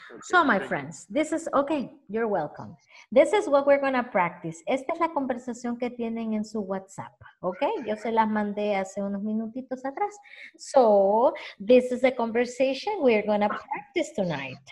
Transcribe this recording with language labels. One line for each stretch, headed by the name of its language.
English: So my friends, this is, okay, you're welcome. This is what we're going to practice.
Spanish: Esta es la conversación que tienen en su WhatsApp. Okay, yo se las mandé hace unos minutitos atrás.
English: So, this is the conversation we're going to practice tonight.